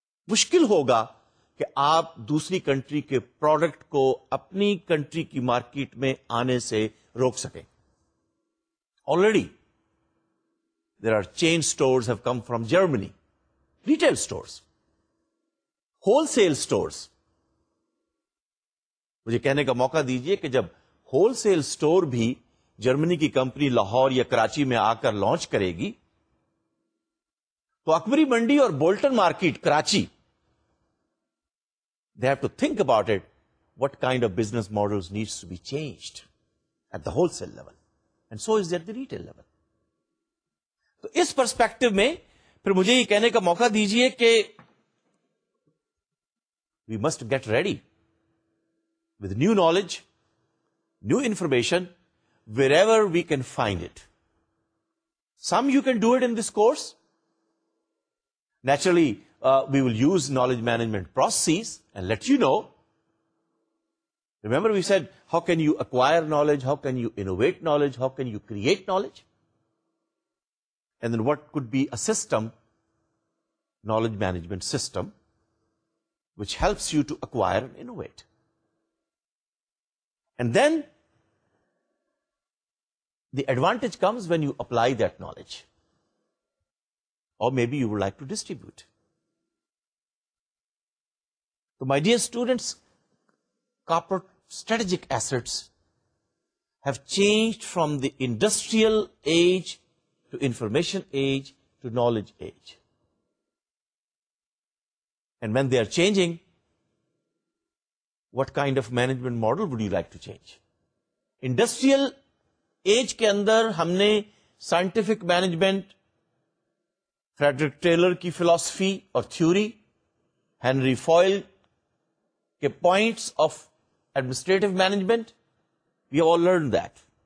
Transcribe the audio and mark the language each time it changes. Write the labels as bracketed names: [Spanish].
[Urdu] مشکل ہوگا کہ آپ دوسری کنٹری کے پروڈکٹ کو اپنی کنٹری کی مارکیٹ میں آنے سے روک سکیں. [English] Already, there are chain stores have come from Germany. Retail stores. Wholesale stores. [Urdu] مجھے کہنے کا موقع دیجئے کہ جب wholesale store بھی جرمنی کی کمپنی لاہور یا کراچی میں آ کر لانچ کرے گی تو اکبری منڈی اور Bolton market Karachi, [English] they have to think about it, what kind of business models needs to be changed at the wholesale level. And so is there at the retail level. [Urdu] تو اس perspective میں پھر مجھے یہ کہنے کا موقع دیجئے کہ [English] we must get ready with new knowledge, new information, wherever we can find it. Some you can do it in this course. Naturally, we will use knowledge management processes and let you know. Remember we said, how can you acquire knowledge? How can you innovate knowledge? How can you create knowledge? And then what could be a system, knowledge management system, which helps you to acquire and innovate? And then, the advantage comes when you apply that knowledge. Or maybe you would like to distribute. So my dear students, corporate strategic assets have changed from the industrial age to information age to knowledge age. And when they are changing, what kind of management model would you like to change? [Urdu] Industrial age ke andar humne scientific management, Frederick Taylor کی philosophy اور theory, Henry foil کے points of administrative management, [English] We all learn that.